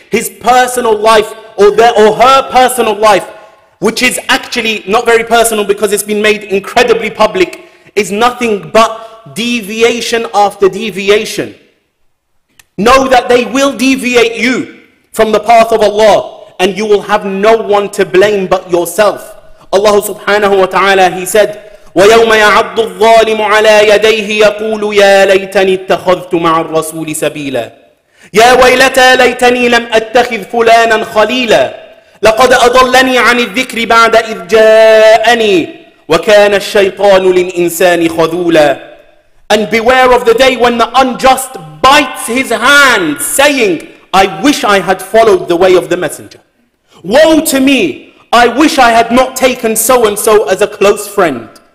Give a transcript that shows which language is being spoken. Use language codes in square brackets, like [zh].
[en] His personal life or her personal life, which is actually not very personal because it's been made incredibly public, is nothing but deviation after deviation. Know that they will deviate you from the path of Allah, and you will have no one to blame but yourself. [ar] Allah subhanahu wa ta'ala, [en] he said, [ar] وَيَوْمَ يَعَضُّ الظَّالِمُ عَلَى يَدَيْهِ يَقُولُ يَا لَيْتَنِي اتَّخَذْتُ مَعَ الرَّسُولِ سَبِيلًا يَا وَيْلَتَى لَيْتَنِي لَمْ أَتَّخِذْ فُلَانًا خَلِيلًا لَقَدْ أَضَلَّنِي عَنِ الذِّكْرِ بَعْدَ إِذْ جَاءَنِي وَكَانَ الشَّيْطَانُ لِلْإِنسَانِ خَذُولًا. [en] And beware of the day when the unjust bites his hand, saying, I wish I had followed the way of the messenger. Woe to me, I wish I had not taken so-and-so as a close friend.